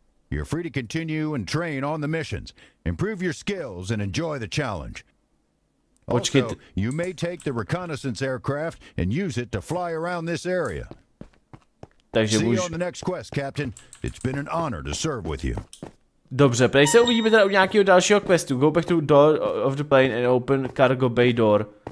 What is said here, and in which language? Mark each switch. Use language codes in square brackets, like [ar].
[en] You're free to continue and train on the missions. Improve your skills and enjoy the challenge. Also, you may take the reconnaissance aircraft and use it to fly around this area. Takže see you on the next quest, Captain. It's been an honor to serve with you. [cs] Dobře, prej se uvidíme teda u nějakého dalšího questu. [en] Go back to the door of the plane and open cargo bay door.